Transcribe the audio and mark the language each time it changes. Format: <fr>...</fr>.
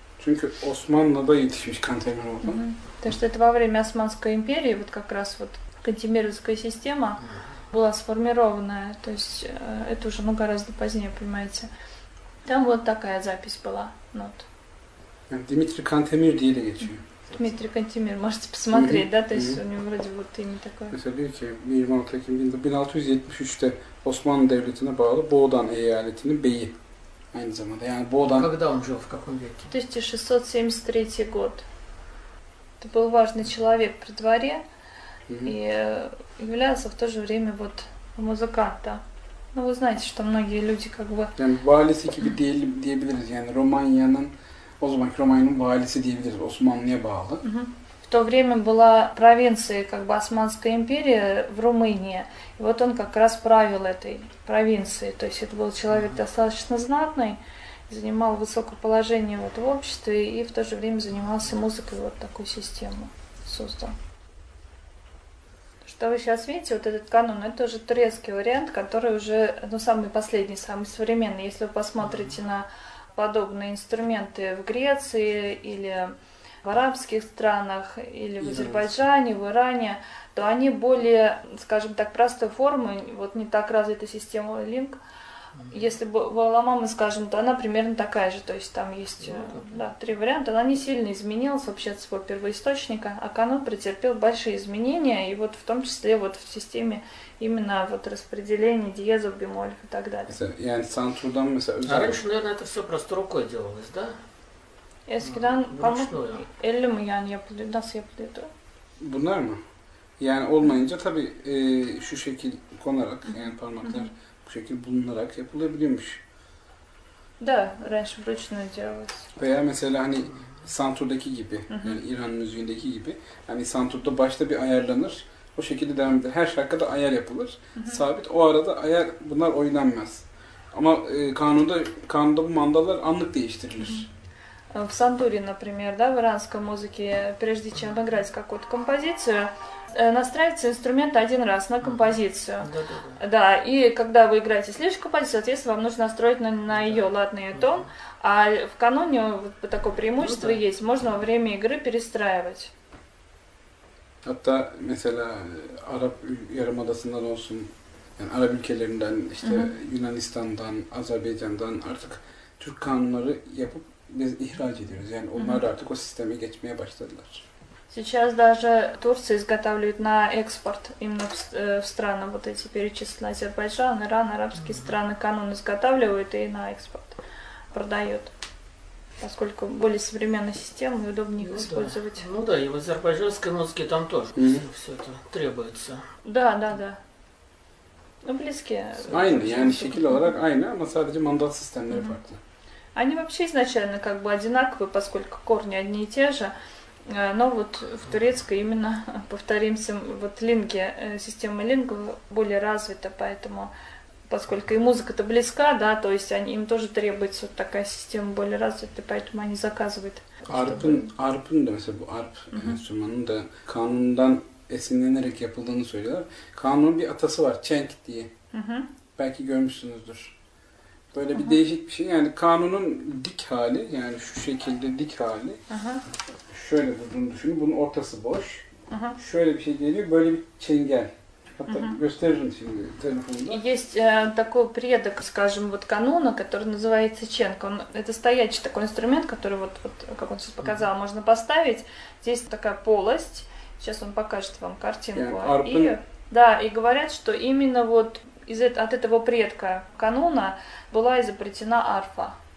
<tr>Çünkü Osmanlı'da yetişmiş kantemir oldu. Hı-hı.</tr> <ru>То есть это во время Османской империи, вот как раз вот кантемировская система была сформированная, то есть это уже ну, гораздо позднее, понимаете. Там вот такая запись была, нот.</ru> <tr>Дмитрий Кантемир diye de geçiyor.</tr> <ru>Дмитрий Кантемир, можете посмотреть, Hı-hı. да, то есть Hı-hı. у него вроде вот имя такое.</ru> <tr>Mesela diyor ki, 26 Ekim 1673'te Osmanlı Devleti'ne bağlı Boğdan Eyaleti'nin beyi. Aynı zamanda yani Boğdan...</tr> <ru>Когда он жил, в каком веке? 1673 год. Это был важный человек при дворе mm-hmm. и являлся в то же время вот музыканта. Ну, вы знаете, что многие люди как бы...</ru> <tr>Yani valisi gibi diyelim, diyebiliriz. Yani Romanya'nın, o zamanki Romanya'nın valisi diyebiliriz. Osmanlı'ya bağlı. Mm-hmm.</tr> <ru>В то время была провинция, как бы Османская империя в Румынии. И вот он как раз правил этой провинцией. То есть это был человек достаточно знатный, занимал высокое положение вот в обществе и в то же время занимался музыкой, вот такую систему создал. Что вы сейчас видите, вот этот канон, это уже турецкий вариант, который уже ну, самый последний, самый современный. Если вы посмотрите на подобные инструменты в Греции или... в арабских странах или в Азербайджане, в Иране, то они более, скажем так, простой формы, вот не так развита система линг. Если бы была мама, скажем, то она примерно такая же, то есть там есть да, три варианта. Она не сильно изменилась вообще от своего первоисточника, а канон претерпел большие изменения, и вот в том числе вот в системе именно вот распределения диезов, бемолев и так далее. А раньше, наверное, это все просто рукой делалось, да?</ru> <tr>Eskiden pamuk 50 mi yani yapılıyordu? Nasıl yapılıyordu? Bunlar mı? Yani olmayınca tabii şu şekil konarak yani parmaklar bu şekil bulunarak yapılabiliyormuş.</tr> <ru>Да, раньше вручную делалось.</ru> <tr>Veya mesela hani santurdaki gibi, yani İran müziğindeki gibi. Hani santurda başta bir ayarlanır, o şekilde devam eder. Her şarkıda ayar yapılır, sabit. O arada ayar, bunlar oynanmaz. Ama kanunda bu mandalar anlık değiştirilir.</tr> <ru>В сандуре, например, да, в иранской музыке, прежде чем играть какую-то композицию, настраивается инструмент один раз на композицию. Да, да, и когда вы играете следующую композицию, соответственно, вам нужно настроить на ее латный тон. А в каноне вот такое преимущество есть, можно во время игры перестраивать.</ru> <tr>Hatta mesela Arap Yarımadası'ndan olsun, yani Arap ülkelerinden, işte Yunanistan'dan, Azerbaycan'dan artık Türk kanunları yapıp biz ihraç ediyoruz. Yani onlar da artık o sisteme geçmeye başladılar.</tr> <ru>Сейчас даже Турция изготавливает на экспорт именно в страны вот эти перечислены Азербайджан, Иран, арабские страны канон изготавливают и на экспорт продают. Поскольку более современная система и удобнее их использовать. Ну да, и в азербайджанской музыке там тоже все это требуется. Да, да, да. Ну близкие.</ru> <tr>Aynı yani şekil olarak aynı ama sadece mandat sistemleri farklı.</tr> <ru>Они вообще изначально как бы одинаковы, поскольку корни одни и те же. Но вот в турецкой именно, повторимся, вот линги, система линга более развита, поэтому, поскольку и музыка-то близка, да, то есть они, им тоже требуется вот такая система более развита, поэтому они заказывают.</ru> <tr>Арпын,</tr> <ru>да, например,</ru> <tr>бу арп,</tr> <ru>инструментом, да,</ru> <tr>канундан эсинленерек yapıldığını söylüyorlar. Канун bir atası var, ченг diye. Belki görmüşsünüzdür. Böyle bir değişik bir şey. Yani kanunun dik hali, yani şu şekilde dik hali. Şöyle durduğunu düşünün. Bunun ortası boş. Şöyle bir şey geliyor. Böyle bir çengel. Hatta gösteririm şimdi telefonda.</tr> <ru>Есть такой предок, скажем, вот кануна, который называется ченг. Это стоячий такой инструмент, который вот, вот как он сейчас показал, можно поставить. Здесь такая полость. Сейчас он покажет вам картинку.</ru> <tr>Yani, арпын...</tr> <ru>и говорят, что именно вот от этого предка кануна была изобретена арфа.</ru>